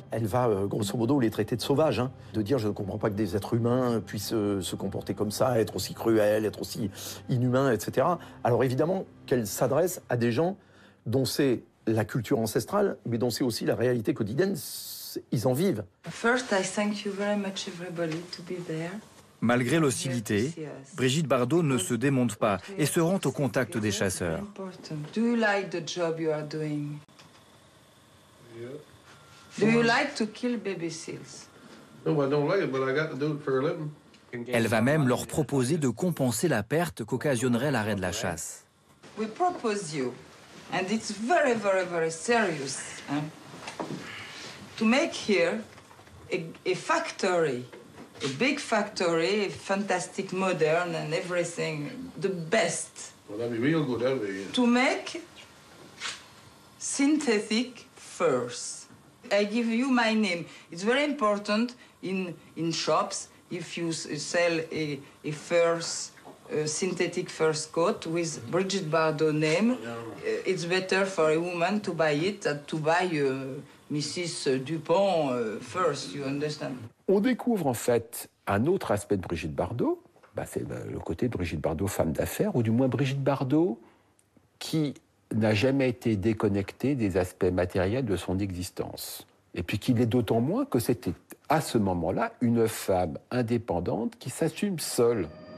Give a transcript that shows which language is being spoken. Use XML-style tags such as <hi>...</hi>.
<fr>Elle va, grosso modo, les traiter de sauvages. Hein, de dire, je ne comprends pas que des êtres humains puissent se comporter comme ça, être aussi cruels, être aussi inhumains, etc. Alors évidemment qu'elle s'adresse à des gens dont c'est la culture ancestrale, mais dont c'est aussi la réalité quotidienne, ils en vivent.</fr> <en>First, I thank you very much, everybody, to be there.</en> <fr>Malgré l'hostilité, Brigitte Bardot ne se démonte pas et se rend au contact des chasseurs.</fr> <en>Do you like the job you are doing? Do you like to kill baby seals? No, I don't like it, but I got to do it for a living.</en> <fr>Elle va même leur proposer de compenser la perte qu'occasionnerait l'arrêt de la chasse.</fr> <en>We propose you, and it's very, very, very serious, to make here a factory. A big factory, fantastic, modern, and everything, the best. Well, that'd be real good, that'd be, yeah. To make synthetic furs. I give you my name. It's very important in shops. If you sell a furs, a synthetic furs coat with Brigitte Bardot name, it's better for a woman to buy it than to buy Mrs. Dupont furs, you understand?</en> <fr>On découvre en fait un autre aspect de Brigitte Bardot, c'est le côté de Brigitte Bardot femme d'affaires, ou du moins Brigitte Bardot qui n'a jamais été déconnectée des aspects matériels de son existence. Et puis qu'il est d'autant moins que c'était à ce moment-là une femme indépendante qui s'assume seule.</fr>